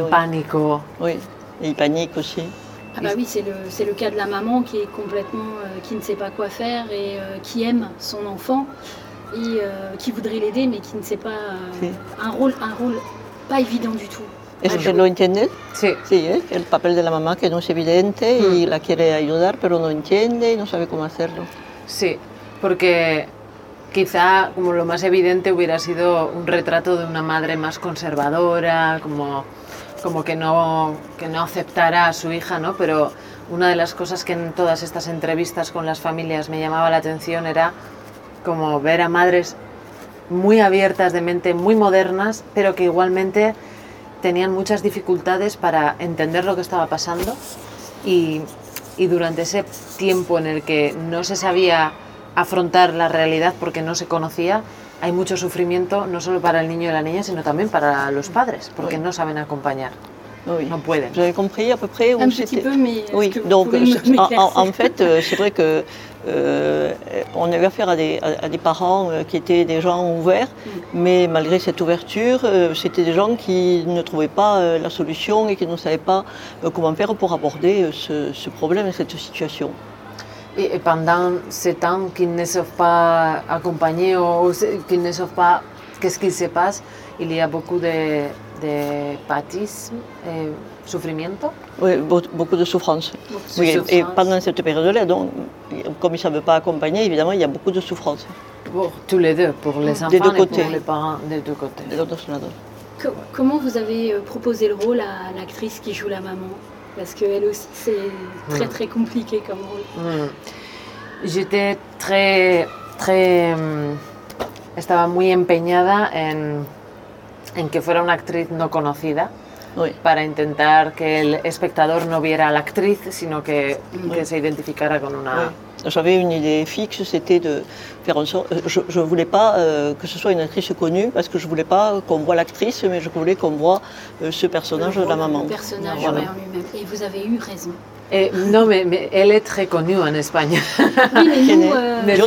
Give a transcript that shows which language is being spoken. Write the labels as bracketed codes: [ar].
[fr] en panique, oui, ils paniquent aussi. Ah bah oui, c'est le cas de la maman qui est complètement qui ne sait pas quoi faire et qui aime son enfant et qui voudrait l'aider mais qui ne sait pas un rôle pas évident du tout. Est-ce que [es] lo entiendes? Sí. Sí, el papel de la mamá que no es evidente y la quiere ayudar pero no entiende y no sabe cómo hacerlo. Sí, porque quizá como lo más evidente hubiera sido un retrato de una madre más conservadora, como que no aceptará a su hija, ¿no? Pero una de las cosas que en todas estas entrevistas con las familias me llamaba la atención era como ver a madres muy abiertas de mente, muy modernas, pero que igualmente tenían muchas dificultades para entender lo que estaba pasando. Y durante ese tiempo en el que no se sabía afrontar la realidad porque no se conocía, hay mucho sufrimiento, no solo para el niño y la niña, sino también para los padres, porque no saben acompañar. [fr] Oui. [es] No pueden. [fr] J'ai compris à peu près où un petit peu, mais oui. Donc, en fait, c'est vrai que on avait affaire à des parents qui étaient des gens ouverts, mais malgré cette ouverture, c'était des gens qui ne trouvaient pas la solution et qui ne savaient pas comment faire pour aborder ce problème, cette situation. Et pendant ce temps, qu'ils ne savent pas accompagner ou qu'ils ne savent pas qu'est-ce qui se passe, il y a beaucoup de pâtisse, sufrimiento. Oui, beaucoup de souffrance. Oui, et pendant cette période-là, donc, comme ils ne savent pas accompagner, évidemment, il y a beaucoup de souffrance. Pour tous les deux, pour les enfants des deux côtés. Et pour les parents, des deux côtés. Des autres, là, donc. Comment vous avez proposé le rôle à l'actrice qui joue la maman? Parce qu'elle aussi, c'est très, très compliqué comme rôle. J'étais très, très... [es] Estaba muy empeñada en que fuera una actriz no conocida, [fr] oui, [es] para intentar que el espectador no viera a la actriz, sino que, oui, que se identificara con una... [fr] Oui. J'avais une idée fixe, c'était de faire en sorte... Je ne voulais pas que ce soit une actrice connue, parce que je ne voulais pas qu'on voit l'actrice, mais je voulais qu'on voit ce personnage de la maman. Le personnage, voilà, en lui-même. Et vous avez eu raison. Et, non, mais elle est très connue en Espagne. Oui, mais nous,